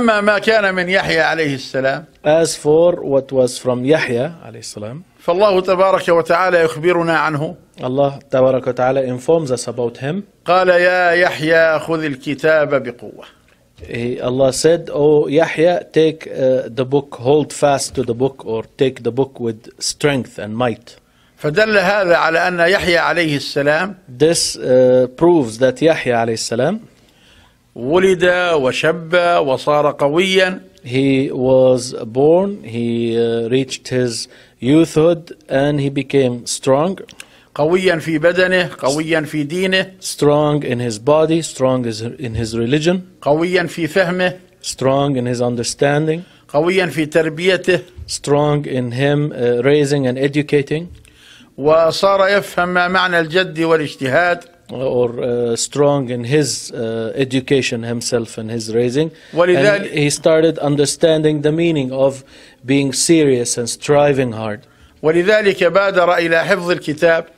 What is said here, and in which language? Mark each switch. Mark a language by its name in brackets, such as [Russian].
[Arabic] أما ما كان من يحيى عليه السلام [English] as for what was from يحيى [Arabic] عليه السلام فالله تبارك وتعالى يخبرنا عنه الله تبارك وتعالى [English] informs us about him [Arabic] قال يا يحيى خذ الكتاب بقوة [English] Allah said, O Yahya, take the book, hold fast to the book, or take the book with strength and might. [Arabic] فدل هذا على أن يحيى عليه السلام [English] This proves that يحيى [Arabic] عليه السلام ولد وشب وصار قويا [English] He was born, he reached his youthhood, and he became strong. [Arabic] قويا في بدنه قويا في دينه [English] strong in his body strong in his religion [Arabic] قويا في فهمه [English] strong in his understanding [Arabic] قويا في تربيته [English] strong in him raising and educating [Arabic] وصار يفهم معنى الجد والاجتهاد [English] or strong in his education himself and his raising [Arabic] ولذلك [English] and he started understanding the meaning of being serious and striving hard [Arabic] ولذلك بادر إلى حفظ الكتاب